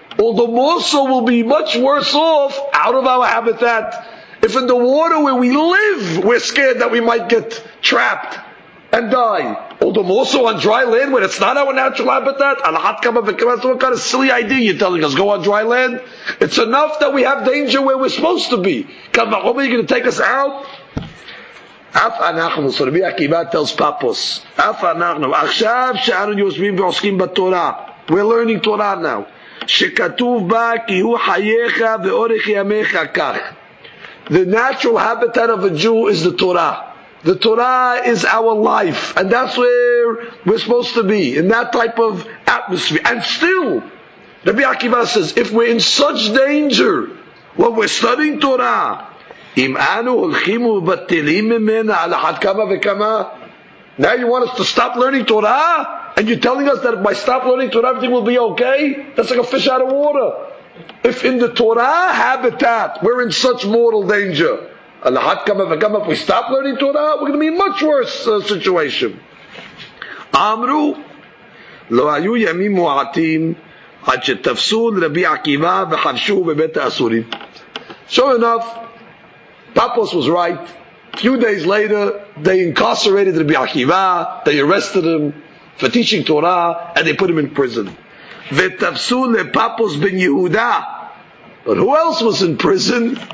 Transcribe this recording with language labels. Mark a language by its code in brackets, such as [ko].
[en] Although more so, we'll be much worse off out of our habitat if in the water where we live, we're scared that we might get trapped and die. Although more so on dry land, where it's not our natural habitat. What kind of silly idea you're telling us? Go on dry land? It's enough that we have danger where we're supposed to be. Come on, are you going to take us out? [he] אף אנחנו, [en] so רבי עקיבא tells Papos, אף אנחנו, [he] עכשיו שאנו יושבים ועוסקים בתורה, [en] we're learning Torah now, [he] שכתוב בה כי הוא חייך ואורך ימיך כך. [en] The natural habitat of a Jew is the Torah. The Torah is our life, and that's where we're supposed to be, in that type of atmosphere. And still, רבי עקיבא says, if we're in such danger, when we're studying Torah, [he] אם אנו הולכים ובטלים ממנה על אחת כמה וכמה. [en] Now you want us to stop learning Torah? And you're telling us that by stop learning Torah everything will be okay? That's like a fish out of water. If in the Torah habitat we're in such mortal danger, [he] על אחת כמה וכמה, [en] if we stop learning Torah, we're going to be in a much worse situation. [he] אמרו, לא היו ימים מועטים עד שתפסו לרבי עקיבא וחבשו בבית האסורים. [en] Sure enough, Papos was right. A few days later, they incarcerated Rabbi Akiva. They arrested him for teaching Torah, and they put him in prison. [he] Ve'tafsu le'Papos ben Yehuda. [en] But who else was in prison?